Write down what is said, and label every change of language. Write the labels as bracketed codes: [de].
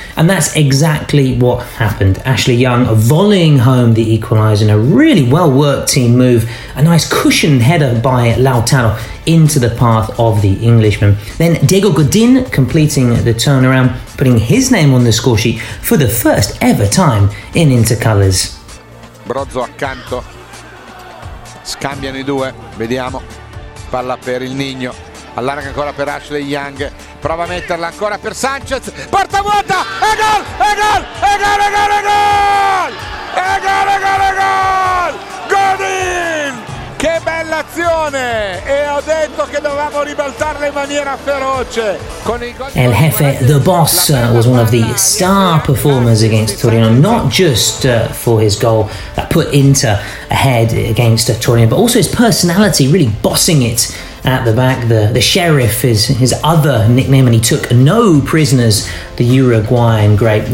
[en] And that's exactly what happened. Ashley Young volleying home the equaliser in a really well-worked team move, a nice cushioned header by Lautaro into the path of the Englishman. Then Diego Godin completing the turnaround, putting his name on the score sheet for the first ever time in Inter colours. [it] Brozzo accanto, scambiano i due, vediamo, palla per il Nino, allarga ancora per Ashley Young, prova a metterla ancora per Sanchez, porta vuota, e gol, e gol, e gol, e gol, e gol, e gol, e gol, e gol, Godin! Che bella azione! E ho detto che dovevamo ribaltarla in maniera feroce. [en] El Jefe, the boss, was one of the star performers against Torino, not just for his goal that put Inter ahead against Torino, but also his personality, really bossing it at the back. The Sheriff is his other nickname, and he took no prisoners, the Uruguayan great.